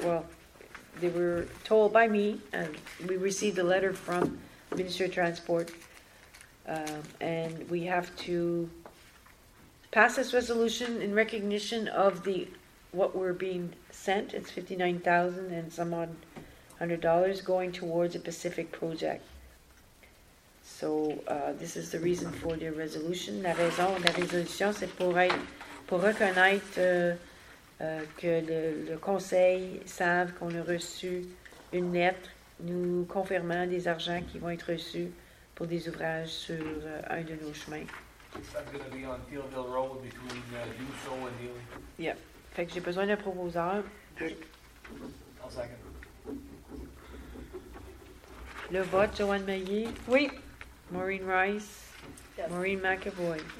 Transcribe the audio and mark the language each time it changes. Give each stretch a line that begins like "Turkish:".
English: Well, they were told by me, and we received a letter from Minister of Transport, and we have to pass this resolution in recognition of the what we're being sent. It's $59,000 and some odd hundred dollars going towards a Pacific project. So this is the reason for the resolution.
French: La raison de la résolution, c'est pour être, pour reconnaître que le conseil savent qu'on a reçu une lettre nous confirmant des argents qui vont être reçus pour des ouvrages sur un de nos chemins.
English: That's going to be on Thielville Road between Dusso and Healy.
French: Yeah. Fait que j'ai besoin d'un proposeur.
English: I'll second.
French: Le vote, Joanne Maillet. Oui. Maureen Rice.
English: Yes. Maureen McAvoy.